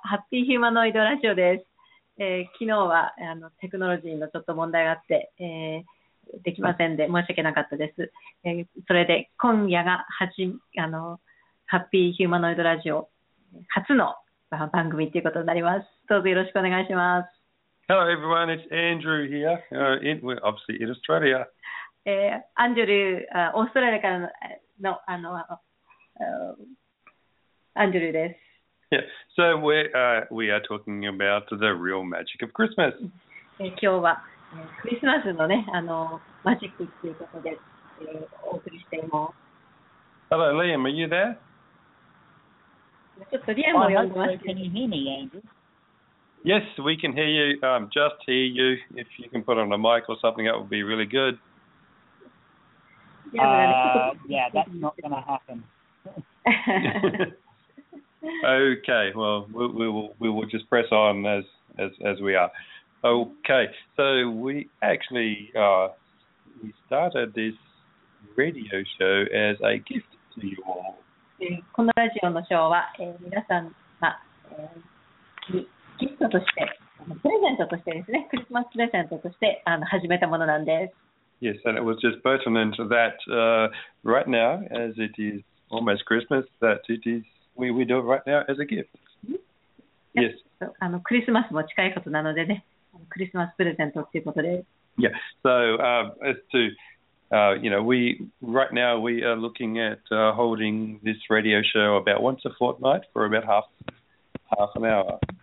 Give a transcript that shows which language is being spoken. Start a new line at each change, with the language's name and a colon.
Japanese: ハッピーヒューマノイドラジオです。昨日はテクノロジーのちょっと問題があって、できませんで申し訳なかったです。それで今夜がハッピーヒューマノイドラジオ初の番組ということになります。どうぞよろしくお願いします。
English: Hello everyone, it's Andrew here. We're obviously in Australia.
Japanese: アンジュル、オーストラリアからのアンジュルです。
English: Yeah, so we are talking about the real magic of Christmas.
Japanese: 今日はクリスマスのね、マジックということで、お送りしています。
English: Hello, Liam, are you there?
Japanese: ちょっとリアムを呼んでます。
English: Can you hear me, Andrew? Yes, we can hear you. Just hear you. If you can put on a mic or something, that would be really good. Yeah, that's not going to happen. Okay, well, we will just press on as we are. Okay, so we actually we started this radio show as a gift to you all.
Japanese: このラジオのショーは、皆さんが、ギフトとして、プレゼントとしてですね、クリスマスプレゼントとして始めたものなんです。
English: Yes, and it was just pertinent that right now, as it is almost Christmas, that it isWe do it right now as a gift. Yes.
Japanese: クリスマスも近いことなのでね、クリスマスプレゼントということで。
English: Yeah. So, we are looking at holding this radio show about once a fortnight for about half an hour.